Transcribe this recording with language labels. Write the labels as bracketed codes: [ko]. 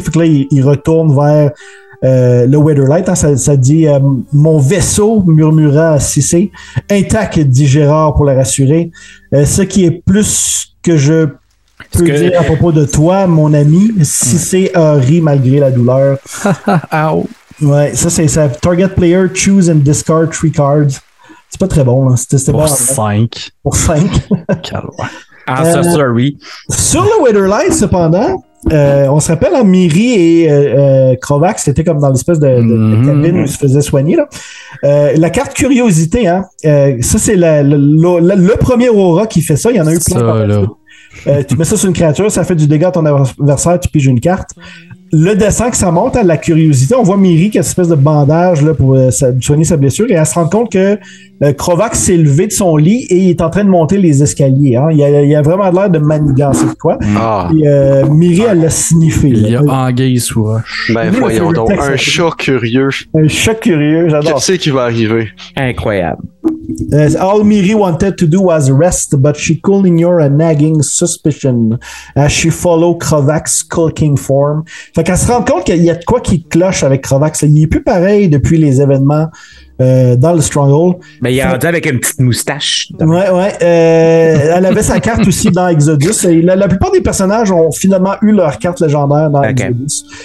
[fr] Fait que là, il retourne vers le Weatherlight. Hein. Ça dit « Mon vaisseau murmura à Cissé. Intact, dit Gérard pour le rassurer. Ce qui est plus que je peux dire à propos de toi, mon ami, si c'est un rire malgré la douleur. Ow. Ouais, ça c'est ça. [en] Target player, choose and discard 3 cards. [fr] C'est pas très bon. Hein. C'était pour 5. Pour 5. Calme. Ah, ça, sorry. Sur le Weatherlight, cependant, on se rappelle, hein, Miri et Krovax, c'était comme dans l'espèce de cabine où ils se faisaient soigner. Là. La carte curiosité, hein, ça c'est le premier aura qui fait ça. Il y en a eu plein. Tu mets ça sur une créature, ça fait du dégât à ton adversaire, tu piges une carte. Le dessin que ça monte à la curiosité, on voit Miri qui a une espèce de bandage là, pour soigner sa blessure et elle se rend compte que Krovax s'est levé de son lit et il est en train de monter les escaliers. Hein. Il a vraiment l'air de manigancer de quoi. Ah. Et, Miri, elle l'a sniffé. Il y a anguille sous roche. Ben voyons donc, un chat curieux. Un chat curieux, j'adore. Qu'est-ce qui va arriver? Incroyable. [en] All Miri wanted to do was rest, but she could ignore a nagging suspicion as she followed Krovax's skulking form. [fr] Fait qu'elle se rend compte qu'il y a de quoi qui cloche avec Krovax. Il n'est plus pareil depuis les événements dans le Stronghold. Mais il est rendu avec une petite moustache. Ouais, ouais. Elle avait sa carte aussi dans Exodus. Et la plupart des personnages ont finalement eu leur carte légendaire dans Exodus.